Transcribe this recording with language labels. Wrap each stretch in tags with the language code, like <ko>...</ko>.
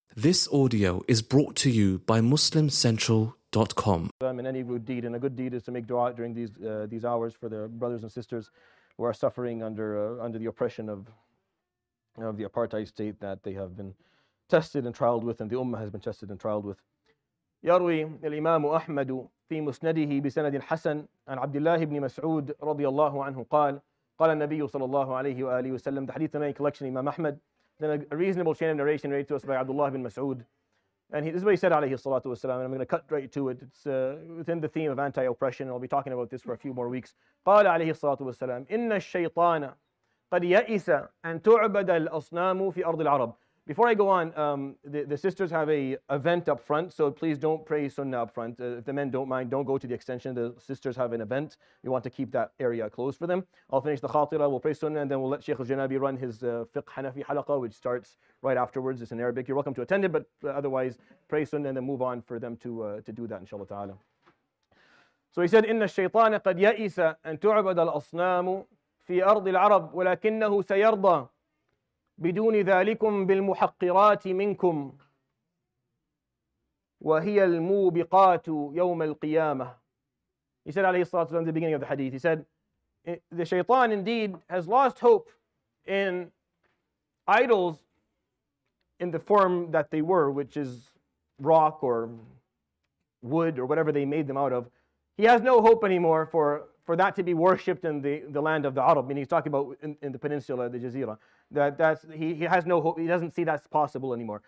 <en>This audio is brought to you by MuslimCentral.com. I'm in any good deed, and a good deed is to make dua during these hours for the brothers and sisters who are suffering under the oppression of the apartheid state that they have been tested and trialed with, and the ummah has been tested and trialed with.</en> <ar>يروي الإمام أحمد في مسنده بسند حسن عن عبد الله بن مسعود رضي الله عنه قال قال النبي صلى الله عليه وآله وسلم.</ar> <en>The hadith in collection Imam Ahmad. Then a reasonable chain of narration read to us by Abdullah bin Mas'ud. And this is what he said, alayhi salatu wasalam, and I'm going to cut right to it. It's within the theme of anti-oppression, and I'll be talking about this for a few more weeks.</en> <ar>قال عليه الصلاة والسلام إن الشيطان قد يأس أن تعبد الأصنام في أرض العرب.</ar> <en>Before I go on, the sisters have a event up front, so please don't pray sunnah up front. If the men don't mind, don't go to the extension. The sisters have an event. We want to keep that area closed for them. I'll finish the khatira, we'll pray sunnah, and then we'll let Sheikh al-Janabi run his fiqh Hanafi halaqa, which starts right afterwards. It's in Arabic. You're welcome to attend it, but otherwise, pray sunnah and then move on for them to do that, inshallah ta'ala.</en> <ar>So he said, إِنَّ الشَّيْطَانَ قَدْ يَئِسَ أَن تُعْبَدَ الْأَصْنَامُ فِي أَرْضِ الْعَرَبِ وَلَكِنَّهُ سَيَرْضَى بدون ذلكم بالمحقرات منكم وهي الموبقات يوم القيامة.</ar> <en>He said عليه الصلاة والسلام, the beginning of the hadith, he said the shaitan indeed has lost hope in idols in the form that they were, which is rock or wood or whatever they made them out of. He has no hope anymore for that to be worshipped in the land of the Arab, meaning he's talking about in the peninsula, the Jazeera, that's he has no hope, he doesn't see that's possible anymore.</en>